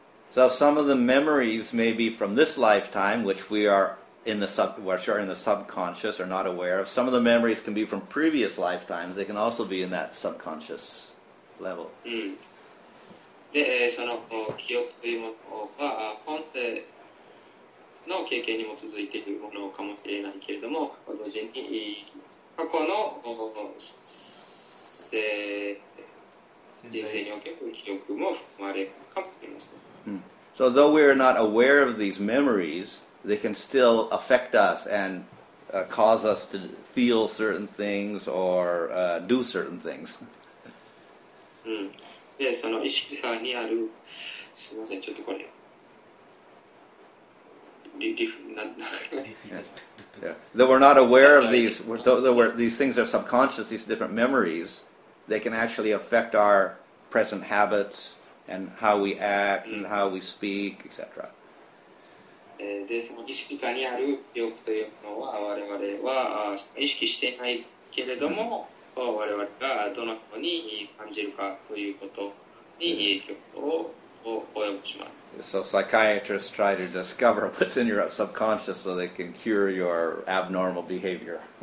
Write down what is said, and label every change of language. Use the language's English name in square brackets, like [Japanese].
[English] So some of the memories may be from this lifetime, which we are in the subconscious or not aware of. Some of the memories can be from previous lifetimes. They can also be in that subconscious level. Mm. [Japanese] で、その記憶というものは、本世の経験に基づいているものかもしれないけれども、同時に過去の人生における記憶も含まれるかもしれません。 [English] So though we are not aware of these memories, they can still affect us and cause us to feel certain things or do certain things. [Japanese] で、その意識下にある、すみません、ちょっとこれ、 [English] Yeah. Though we're not aware of these, these things are subconscious, these different memories, they can actually affect our present habits and how we act and how we speak, etc. [Japanese] で、その意識下にある記憶というのは、我々は意識していないけれども、我々がどのように感じるかということに影響を及ぼします。 [English] So psychiatrists try to discover what's in your subconscious so they can cure your abnormal behavior.